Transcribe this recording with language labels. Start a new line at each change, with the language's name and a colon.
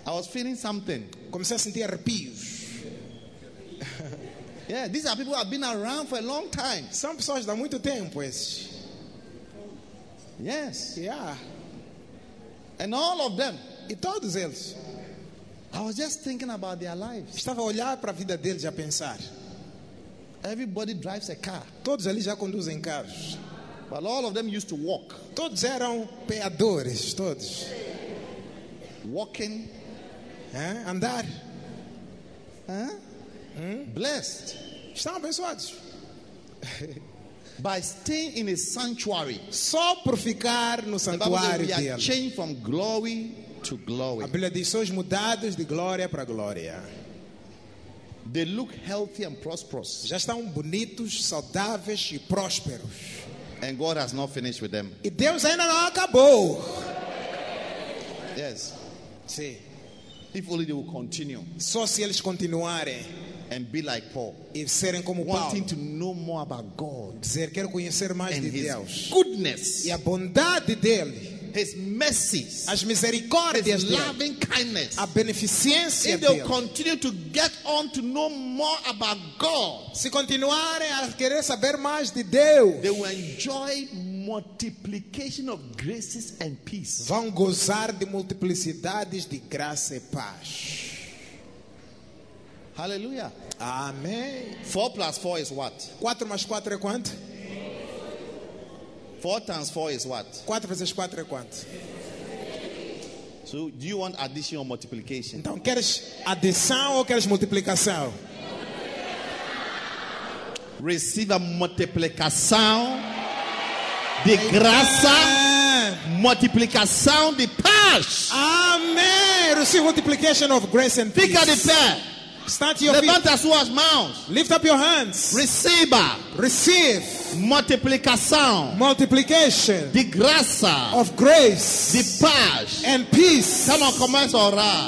English: I was feeling something.
Portuguese: Comecei a sentir arrepios.
English: Yeah, these are people who have been around for a long time.
Portuguese: São pessoas de muito tempo, pois.
English: Yes. Yeah. And all of them.
Portuguese: E todos eles.
English: I was just thinking about their lives.
Portuguese: Estava a olhar para a vida deles e a pensar.
English: Everybody drives a car.
Portuguese: Todos ali já conduzem carros.
English: But all of them used to walk.
Portuguese: Todos eram peadores, todos.
English: Walking.
Portuguese: Hein? Andar.
English: Hein? Blessed.
Portuguese: Estão abençoados.
English: By staying in a sanctuary.
Portuguese: Só por ficar no santuário deles.
English: We are changed from glory.
Portuguese: A Bíblia diz, sois mudados de glória para glória.
English: They look healthy and prosperous.
Portuguese: Já estão bonitos, saudáveis e prósperos.
English: And God has not finished with them.
Portuguese: E Deus ainda não acabou.
English: Yes.
Portuguese: Sim.
English: If only they will continue.
Portuguese: Só se eles continuarem.
English: And be like Paul.
Portuguese: E serem como
English: wanting
Portuguese: Paulo.
English: Wanting to know more about God.
Portuguese: Dizer, quero conhecer mais
English: and
Portuguese: de
English: his
Portuguese: Deus.
English: Goodness.
Portuguese: E a bondade dele.
English: His mercies,
Portuguese: as misericórdias,
English: his loving kindness,
Portuguese: a beneficência.
English: If they will continue to get on to know more about God,
Portuguese: se continuarem a querer saber mais de Deus,
English: they will enjoy multiplication of graces and peace.
Portuguese: Vão gozar de multiplicidades de graça e paz. Hallelujah. Amém.
English: 4 plus 4 is what?
Portuguese: 4 mais 4 é quanto?
English: 4 times 4 is what?
Portuguese: 4 vezes 4 é quanto?
English: So, do you want addition or multiplication?
Portuguese: Então, queres adição ou queres multiplicação? Receive a multiplicação de graça, multiplicação de paz. Amém.
English: Receive multiplication of grace and
Portuguese: peace. Fica de pé.
English: Start your
Portuguese: feet. Levanta as suas mãos.
English: Lift up your hands.
Portuguese: Receba.
English: Receive.
Portuguese: Multiplicação.
English: Multiplication.
Portuguese: De graça.
English: Of grace.
Portuguese: De paz.
English: And peace. Come on,
Portuguese: commence a orar.